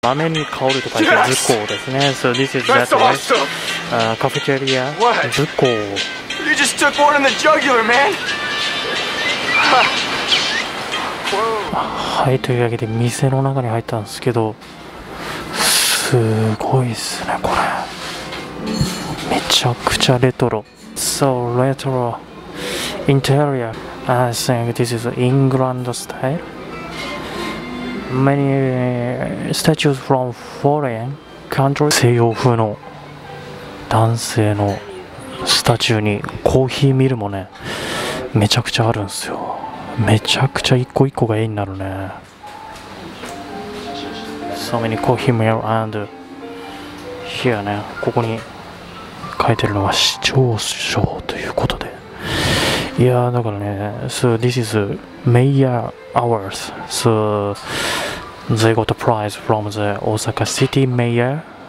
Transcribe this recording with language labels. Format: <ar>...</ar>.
<ja>豆に香ると書いてずっこうですね。</ja> <en>So this is that way. Cafeteria. What?</en> <ja>ずっこう。</ja> <en>You just took one in the jugular, man.</en> <ja>はい、というわけで店の中に入ったんですけど、すごいですね、これ。めちゃくちゃレトロ。</ja> <en>So retro interior. I think this is England style. Many statues from foreign countries.</en> <ja>西洋風の男性のスタチューにコーヒーミルもね、めちゃくちゃあるんですよ。めちゃくちゃ一個一個が絵になるね。</ja> <en>So many coffee mill and here</en> <ja>ね、ここに書いてるのは市長賞ということで、いやだからね、</ja> <en>So this is mayor hours. SoThey got a prize from the Osaka City Mayor.</en>